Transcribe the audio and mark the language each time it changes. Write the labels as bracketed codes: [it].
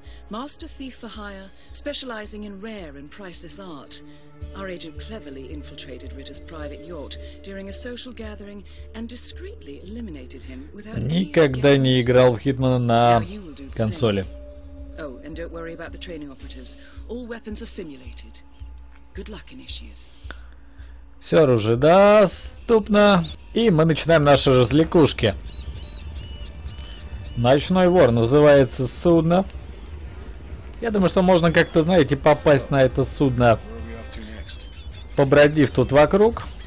[en] Master thief for hire, specializing in rare and priceless art. Our agent cleverly infiltrated Ritter's private yacht during a social gathering and discreetly eliminated him without any guesses. [ru] Никогда не играл в Хитмана на консоли. [en] Oh, and don't worry about the training operatives. All weapons are simulated. Good luck, initiate. [ru] Все оружие доступно, и мы начинаем наши развлекушки. Ночной вор называется судно. Я думаю, что можно как-то, знаете, попасть на это судно, побродив тут вокруг.